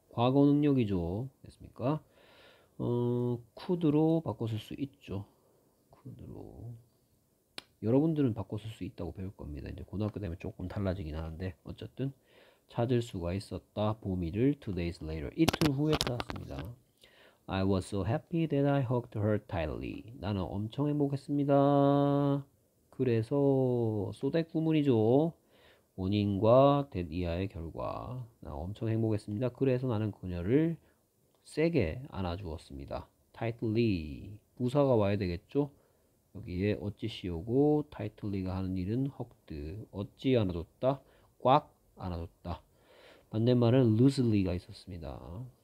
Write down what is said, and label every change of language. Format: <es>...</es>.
<ko>과거 능력이죠. 됐습니까? could로 바꿔 쓸수 있죠. could로. 여러분들은 바꿔 쓸수 있다고 배울 겁니다. 이제 고등학교 되면 조금 달라지긴 하는데 어쨌든 찾을 수가 있었다. 보미를</ko> <en>two days later,</en> <ko>이틀 후에 찾았습니다.</ko> <en>I was so happy that I hugged her tightly.</en> <ko>나는 엄청 행복했습니다. 그래서 so that 구문이죠. 원인과 that 이하의 결과. 나 엄청 행복했습니다. 그래서 나는 그녀를 세게 안아주었습니다. tightly. 부사가 와야 되겠죠? 여기에 어찌시오고 타이틀리가 하는 일은 헉드 어찌 안아줬다 꽉 안아줬다 반대말은 루슬리가 있었습니다</ko>